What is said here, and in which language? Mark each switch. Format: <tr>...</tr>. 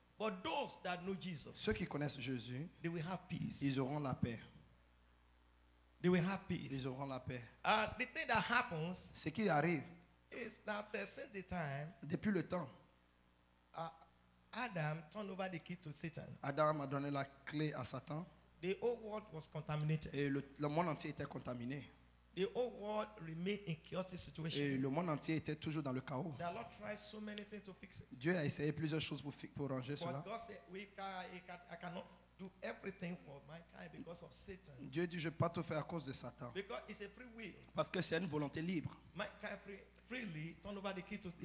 <en>But those that know Jesus.</en> <fr>Ceux qui connaissent Jésus.</fr> <en>They will have peace.</en> <fr>Ils auront la paix.</fr> <en>They will have peace.</en> <fr>Ils auront la paix.</fr> <en>The thing that happens.</en> <fr>Ce qui arrive.</fr> <en>Is that since the time.</en> <fr>Depuis le temps.</fr> <en>Adam turned over the key to Satan.</en> <fr>Adam a donné la clé à Satan.</fr> <en>The whole world was contaminated.</en> <fr>Et le monde entier était contaminé.</fr> <en>The whole world remained in chaotic situation.</en> <fr>Et le monde entier était toujours dans le chaos.</fr> <en>The Lord tried so many things to fix it.</en> <fr>Dieu a essayé plusieurs choses pour ranger</fr> <en>but</en> <fr>cela.</fr> <en>God said, I cannot do everything for mankind because of Satan.</en> <fr>Dieu dit, je peux pas tout faire à cause de Satan.</fr> <en>Because it's a free will.</en> <fr>Parce que c'est une volonté libre.</fr> <en>Mankind freely turned over the key to the</en>